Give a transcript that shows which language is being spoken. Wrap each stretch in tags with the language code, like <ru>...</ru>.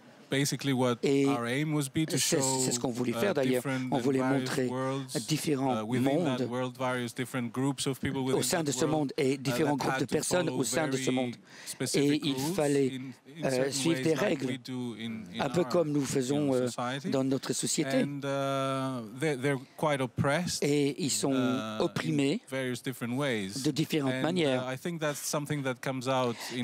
<en>basically what our aim was be to show</en> <fr>c'est ce qu'on voulait faire d'ailleurs. On voulait montrer différents mondes</fr> <en>world, various different groups of people</en> <fr>au sein de ce monde et différents groupes de personnes au sein de ce monde. Et il fallait suivre des règles, un peu comme nous faisons dans notre société.</fr> <en>And, they're quite oppressed,</en> <fr>et ils sont opprimés</fr> <en>in various different ways.</en> <fr>De différentes</fr> <en>and,</en> <fr>manières.</fr> <en>I think that's something that comes out in</en>